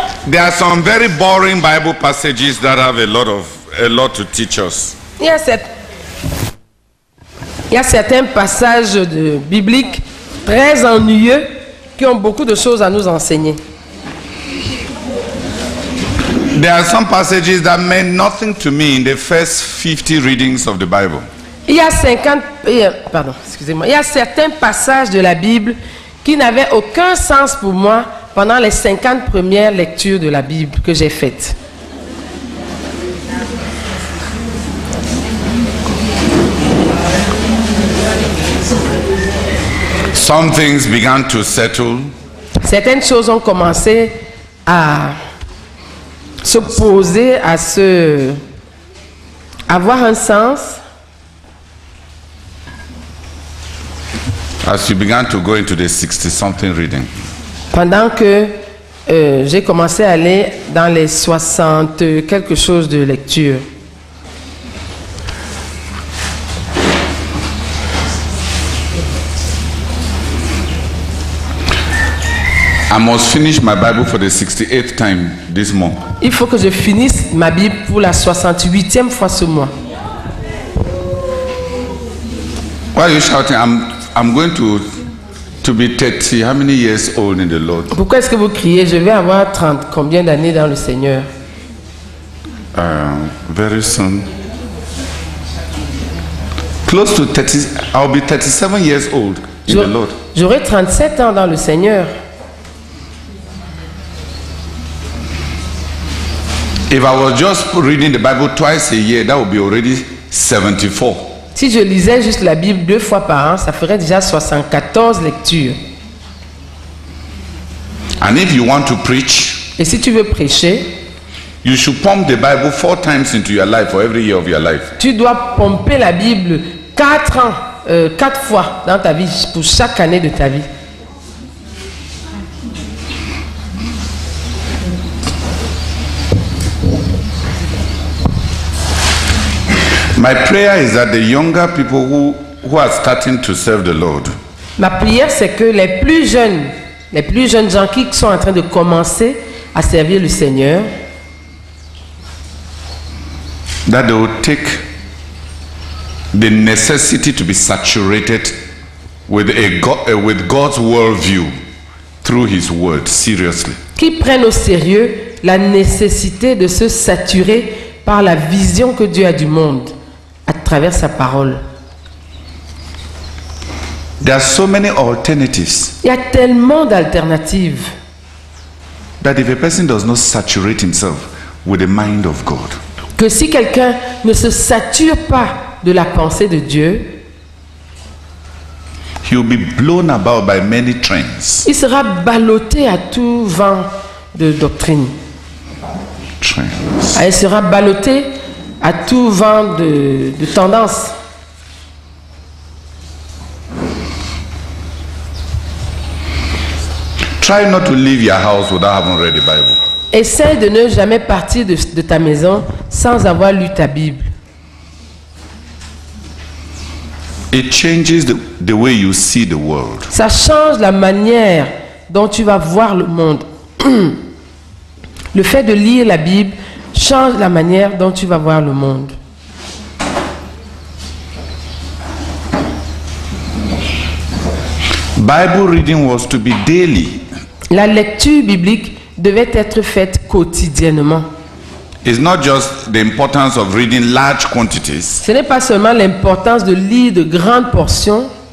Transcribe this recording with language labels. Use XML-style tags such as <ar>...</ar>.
<en>There are some very boring Bible passages that have a lot to teach us.</en> <fr>Il y a certains passages de bibliques très ennuyeux qui ont beaucoup de choses à nous enseigner.</fr> <en>There are some passages that meant nothing to me in the first 50 readings of the Bible.</en> <fr>Il y a certains passages de la Bible qui n'avaient aucun sens pour moi pendant les 50 premières lectures de la Bible que j'ai faites.</fr> <en>Some things began to settle.</en> <fr>Certaines choses ont commencé à se poser, à se avoir un sens.</fr> <en>As you began to go into the 60-something reading.</en> <fr>Pendant que j'ai commencé à aller dans les 60 quelque chose de lecture.</fr> <en>I must finish my Bible for the 68th time this month.</en> <fr>Il faut que je finisse ma Bible pour la 68e fois ce mois.</fr> <en>Why are you shouting? I'm going to be 30. How many years old in the Lord?</en> <fr>Pourquoi est-ce que vous criez? Je vais avoir 30. Combien d'années dans le Seigneur?</fr> <en>Very soon. Close to 30. I'll be 37 years old in the Lord.</en> <fr>J'aurai 37 ans dans le Seigneur.</fr> <en>If I was just reading the Bible twice a year, that would be already 74.</en> <fr>Si je lisais juste la Bible deux fois par an, ça ferait déjà 74 lectures.</fr> <en>And if you want to preach,</en> <fr>et si tu veux prêcher,</fr> <en>you should pump the Bible four times into your life for every year of your life.</en> <fr>Tu dois pomper la Bible quatre fois dans ta vie pour chaque année de ta vie.</fr> <en>My prayer is that the younger people who are starting to serve the Lord.</en> <fr>Ma prière c'est que les plus jeunes gens qui sont en train de commencer à servir le Seigneur.</fr> <en>That they will take the necessity to be saturated with God's worldview through His Word seriously.</en> <fr>Qui prennent au sérieux la nécessité de se saturer par la vision que Dieu a du monde. À travers sa parole.</fr> <en>There are so many alternatives.</en> <fr>Il y a tellement d'alternatives.</fr> <en>That if a person does not saturate himself with the mind of God.</en> <fr>Que si quelqu'un ne se sature pas de la pensée de Dieu.</fr> <en>He will be blown about by many trends.</en> <fr>Il sera ballotté à tout vent de doctrine.</fr> <en>Trends.</en> <fr>Il sera ballotté à tout vent de tendance.</fr> <en>Try not to leave your house without having read the Bible.</en> <fr>Essaye de ne jamais partir de ta maison sans avoir lu ta Bible.</fr> <en>It changes the way you see the world.</en> <fr>Ça change la manière dont tu vas voir le monde. Le fait de lire la Bible change la manière dont tu vas voir le monde.</fr> <en>Bible reading was to be daily.</en> <fr>La lecture biblique devait être faite quotidiennement.</fr> <en>It's not just the importance of reading large quantities.</en> <fr>Ce n'est pas seulement l'importance de lire de grandes portions,</fr>